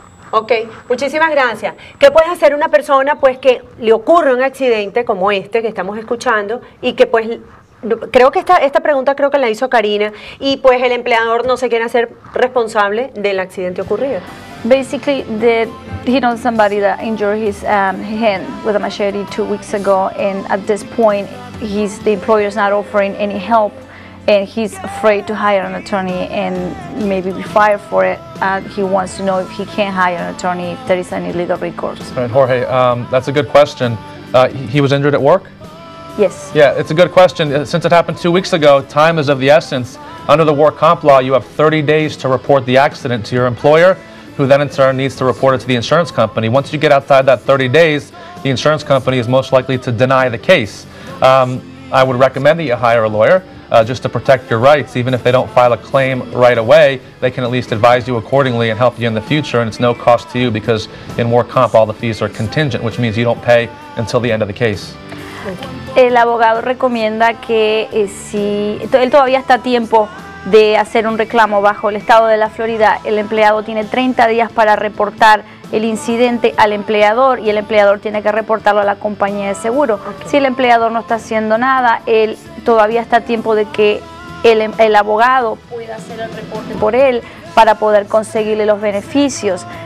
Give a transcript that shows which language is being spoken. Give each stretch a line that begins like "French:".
Spanish: Ok, muchísimas gracias. ¿Qué puede hacer una persona pues que le ocurre un accidente como este que estamos escuchando y que pues... Creo que esta pregunta creo que la hizo Karina y pues el empleador no se quiere hacer responsable del accidente ocurrido.
English: Basically, he knows somebody that injured his hand with a machete 2 weeks ago, and at this point, the employer is not offering any help, and he's afraid to hire an attorney and maybe be fired for it. He wants to know if he can hire an attorney if there is any legal recourse. All right, Jorge, that's a good question. He was injured at work. Yes. Yeah, it's a good question. Since it happened 2 weeks ago, time is of the essence. Under the work comp law, you have 30 days to report the accident to your employer, who then in turn needs to report it to the insurance company. Once you get outside that 30 days, the insurance company is most likely to deny the case. I would recommend that you hire a lawyer just to protect your rights. Even if they don't file a claim right away, they can at least advise you accordingly and help you in the future, and it's no cost to you because in work comp, all the fees are contingent, which means you don't pay until the end of the case.
Spanish: El abogado recomienda que si él todavía está a tiempo de hacer un reclamo bajo el estado de la Florida, el empleado tiene 30 días para reportar el incidente al empleador y el empleador tiene que reportarlo a la compañía de seguro. Okay. Si el empleador no está haciendo nada, él todavía está a tiempo de que el abogado pueda hacer el reporte por él para poder conseguirle los beneficios.